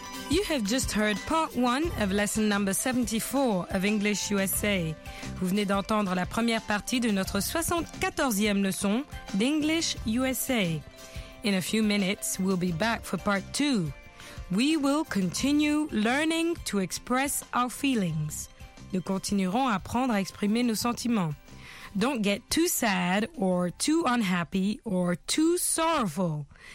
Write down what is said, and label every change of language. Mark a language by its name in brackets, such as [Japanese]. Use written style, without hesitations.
[English] You have just heard part one of lesson number 74 of English USA. [French] Vous venez d'entendre la première partie de notre 74e leçon d'English USA. [English] In a few minutes, we'll be back for part two. We will continue learning to express our feelings. [French] Nous continuerons à apprendre à exprimer nos sentiments. [English] Don't get too sad or too unhappy or too sorrowful.